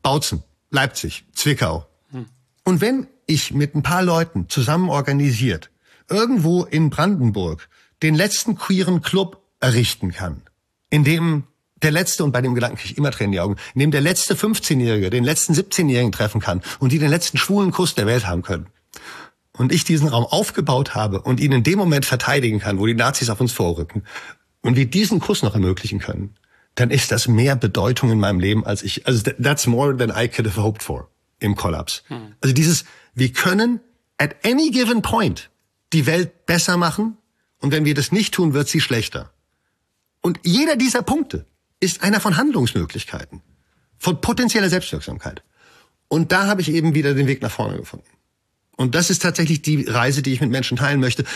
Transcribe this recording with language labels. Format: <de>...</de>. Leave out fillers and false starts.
<de>Bautzen, Leipzig, Zwickau. Und wenn ich mit ein paar Leuten zusammen organisiert irgendwo in Brandenburg den letzten queeren Club errichten kann, in dem der letzte, und bei dem Gedanken kriege ich immer Tränen in die Augen, in dem der letzte 15-Jährige den letzten 17-Jährigen treffen kann und die den letzten schwulen Kuss der Welt haben können, und ich diesen Raum aufgebaut habe und ihn in dem Moment verteidigen kann, wo die Nazis auf uns vorrücken, und wir diesen Kuss noch ermöglichen können, dann ist das mehr Bedeutung in meinem Leben als ich.</de> <en>Also that's more than I could have hoped for</en> <de>im Kollaps. Also dieses, wir können</de> <en>at any given point</en> <de>die Welt besser machen, und wenn wir das nicht tun, wird sie schlechter. Und jeder dieser Punkte ist einer von Handlungsmöglichkeiten, von potenzieller Selbstwirksamkeit. Und da habe ich eben wieder den Weg nach vorne gefunden. Und das ist tatsächlich die Reise, die ich mit Menschen teilen möchte.</de>